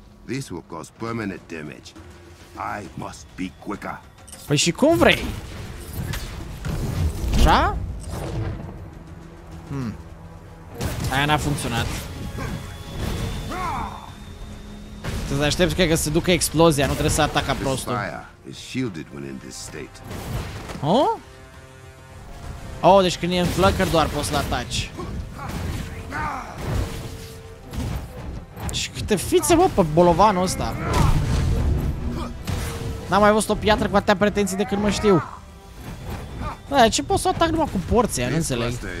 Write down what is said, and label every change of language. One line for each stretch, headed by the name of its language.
English: This will cause permanent damage. I must be quicker.
Romanian: Păi și cum vrei? Așa? Aia n-a funcționat. Te aștepți că se ducă explozia, nu trebuie să ataca prostul.
English: This fire is shielded when in this state. Huh?
Romanian: Oh, deci când e în flăcăr doar poți să-l ataci. Și câte fițe, bă, pe bolovanul ăsta. N-am mai văzut o piatră cu atâtea pretenții de când mă știu. Bă, dar ce poți să o atac numai cu porția, nu înțeleg.